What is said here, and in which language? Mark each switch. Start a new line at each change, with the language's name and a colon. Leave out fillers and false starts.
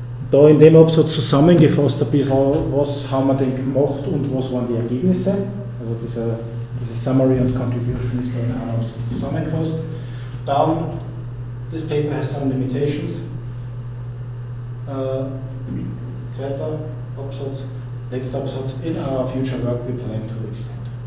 German: Da in dem Absatz zusammengefasst ein bisschen, was haben wir denn gemacht und was waren die Ergebnisse. Also diese Summary und Contribution ist da in einem Absatz zusammengefasst. Dann,
English: this paper has some limitations.
German: Zweiter Absatz, letzter Absatz,
English: in our future work we plan to extend.